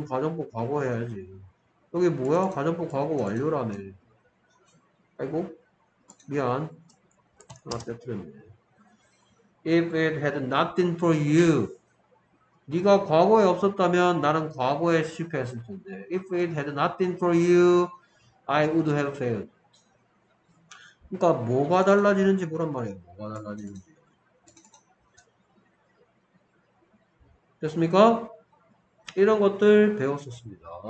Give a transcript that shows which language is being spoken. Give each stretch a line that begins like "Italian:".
Korean: 그럼 가정법 과거 해야지. 여기 뭐야? 가정법 과거 완료라며. 아이고, 미안. 하나 빼뜨렸네.
English: If it had not been for you.
Korean: 네가 과거에 없었다면 나는 과거에 실패했을 텐데.
English: If it had not been for you, I would have failed.
Korean: 그러니까 뭐가 달라지는지 보란 말이에요. 뭐가 달라지는지. 됐습니까? 이런 것들 배웠었습니다.